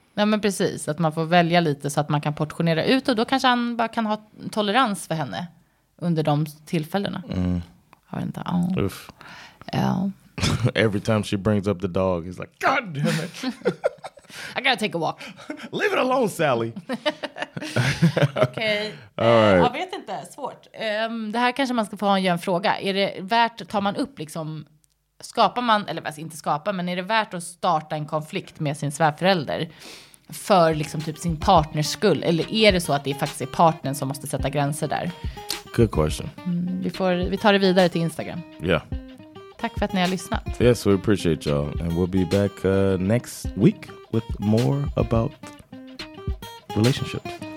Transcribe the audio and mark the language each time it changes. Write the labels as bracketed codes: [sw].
[sv] Nej, men precis, att man får välja lite så att man kan portionera ut, och då kanske han bara kan ha tolerans för henne under de tillfällena. Mm. Jag vet inte. Uff. [en] Every time she brings up the dog, he's like, God damn it. I gotta take a walk. Leave it alone, Sally. [sv] Okej. [en] Okay. Right. [sv] Jag vet inte, svårt. Det här kanske man ska få göra en fråga. Är det värt, tar man upp liksom, skapar man, eller inte skapa, men är det värt att starta en konflikt med sin svärförälder för liksom typ sin partners skull? Eller är det så att det faktiskt är partnern som måste sätta gränser där? [en] Good question. [sv] Vi tar det vidare till Instagram. [en] Yeah. [sv] Tack för att ni har lyssnat. [en] Yes, we appreciate y'all. And we'll be back next week with more about relationships.